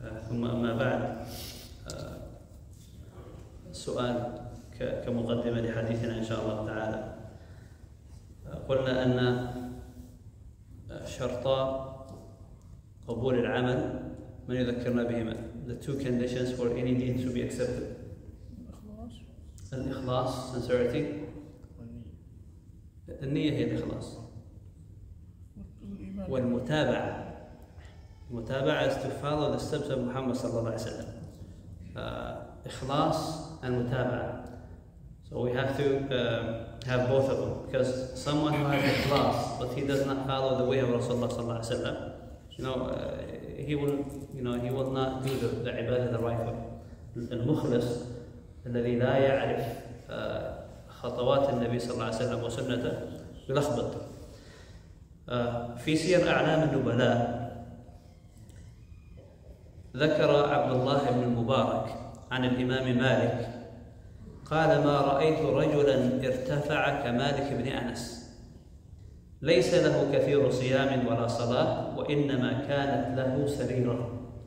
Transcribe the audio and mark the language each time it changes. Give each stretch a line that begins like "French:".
Arabic: ثم أما بعد، سؤال كمقدمة لحديثنا إن شاء الله تعالى. قلنا أن شرط قبول العمل من يذكرنا بهما.
English: The two conditions for any deed to be accepted.
Arabic: الإخلاص.
English: Sincerity.
Arabic: النية هي الإخلاص. والمتابعة.
English: المتابعة is to follow the steps of Muhammad صلى الله عليه وسلم.
Arabic: إخلاص and متابعة.
English: So we have to have both of them. Because someone who has إخلاص but he does not follow the way of Rasulullah صلى الله عليه وسلم, you know, he will not do the عبادة the right way.
Arabic: المخلص الذي لا يعرف خطوات النبي صلى الله عليه وسلم وسنته يلخبط. في سير أعلام النبلاء ذكر عبد الله بن المبارك عن الإمام مالك قال: ما رأيت رجلا ارتفع كمالك بن أنس ليس له كثير صيام ولا صلاة وإنما كانت له سريرة.